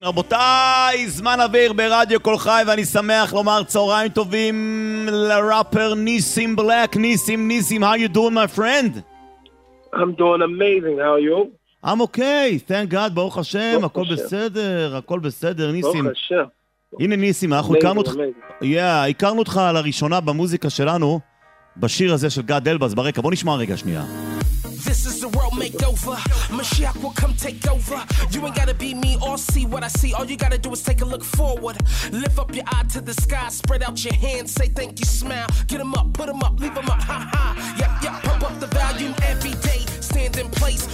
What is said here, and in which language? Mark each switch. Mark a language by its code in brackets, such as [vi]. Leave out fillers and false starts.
[he] רבותיי, זמן אוויר ברדיו קול חי, ואני שמח לומר צהריים טובים לראפר ניסים בלק. [en] ניסים, ניסים, how you doing, my friend? I'm doing amazing, how are you? I'm okay, thank God, [he] ברוך השם, הכל בסדר, הכל בסדר, ניסים. ברוך השם. הנה ניסים, אנחנו הכרנו אותך, הכרנו אותך לראשונה במוזיקה שלנו, בשיר הזה של גד אלבז ברקע, בוא נשמע רגע שנייה. [en] This is the world make over. Mashiach will come take over. You ain't gotta be me or see what I see. All you gotta do is take a look forward. Lift up your eye to the sky. Spread out your hands. Say thank you, smile. Get them up, put them up, leave them up. Ha ha. Yep, yep. Pump up the volume every day. Stand in place.